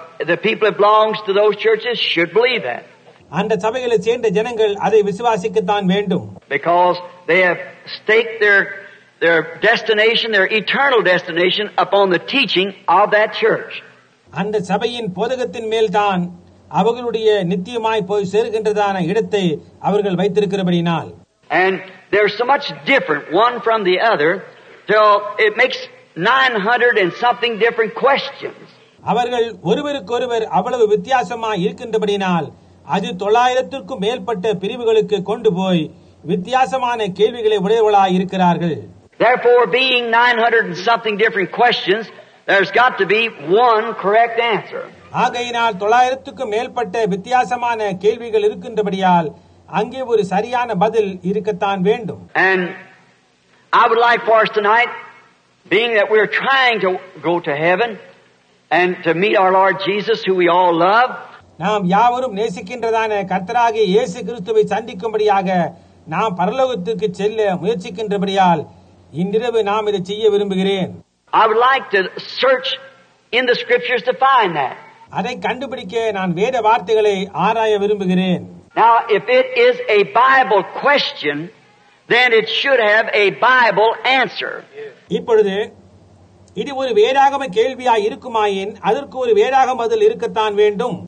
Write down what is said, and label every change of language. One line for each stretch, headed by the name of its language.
English: The people that belongs to those churches should believe that.
Tamil: அந்த சபைகளை சேர்ந்த ஜனங்கள் அதை விசுவாசிக்கத்தான் வேண்டும்.
English: Because they have staked their destination, their eternal destination, upon the teaching of that church.
Tamil: அந்த சபையின் போதகத்தின் மேல் தான் அவர்களுடைய நித்தியமாய் போய் சேர்கின்றதான இடத்தை அவர்கள் வைத்திருக்கிறபடினால்
English: and there's so much different one from the other till it makes 900 and something different questions.
Tamil: அவர்கள் ஒருவருக்கொருவர் அவ்வளவு வித்தியாசமாய் இருக்கின்றபடினால் அது 900-க்கும் மேற்பட்ட பிரிவுகளுக்கு கொண்டு போய் வித்தியாசமான கேள்விகளை உடையவர்களாய் இருக்கிறார்கள்.
English: Therefore being 900 and something different questions, there's got to be one correct answer.
Tamil: ஆகையினால் 900-க்கும் மேற்பட்ட வித்தியாசமான கேள்விகள் இருக்கின்றபடியால் அங்கே ஒரு சரியான பதில் இருக்கத்தான் வேண்டும்.
English: And I would like for us tonight, being that we're trying to go to heaven and to meet our Lord Jesus, who we all love.
Tamil: நாம் யாவரும் நேசிக்கின்றதான கர்த்தராகிய இயேசு கிறிஸ்துவை சந்திக்கும்படியாக நாம் பரலோகத்துக்கு செல்ல முயற்சிக்கின்றபடியால் இன்றிரவு நாம் இதை செய்ய விரும்புகிறேன்.
English: I would like to search in the scriptures to find that.
Tamil: அதை கண்டுபிடிக்க நான் வேத வார்த்தைகளை ஆராய விரும்புகிறேன்.
English: Now if it is a Bible question, then it should have a Bible answer.
Tamil: இப்பொழுது இது ஒரு வேதாகம கேள்வியாய் இருக்குமாயின் அதற்கு ஒரு வேதாகம பதில் இருக்கத்தான் வேண்டும்.